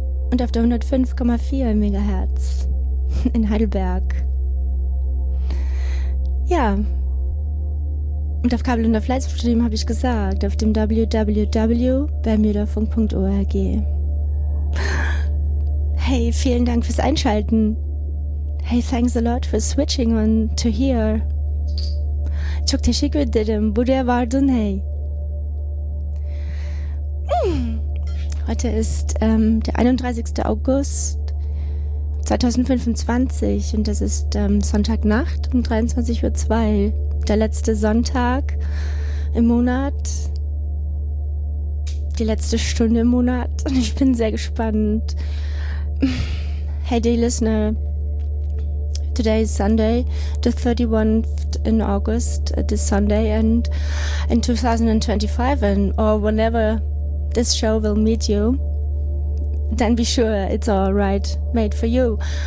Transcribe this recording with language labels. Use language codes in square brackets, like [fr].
[de] Und auf der 105,4 im Megahertz in Heidelberg. Ja. Und auf Kabel und auf Livestream habe ich gesagt, auf dem www.bermudafunk.org. Hey, vielen Dank fürs Einschalten. [en] Hey, thanks a lot for switching on to here. [tr] Çok teşekkür ederim. Buraya vardın, hey. [de] Heute ist der 31. August 2025 und das ist Sonntagnacht um 23.02 Uhr. Der letzte Sonntag im Monat. Die letzte Stunde im Monat. Und ich bin sehr gespannt. [en] Hey, dear listener. Today is Sunday, the 31st in August, this Sunday, and in 2025, or whenever this show will meet you, then be sure it's all right, made for you.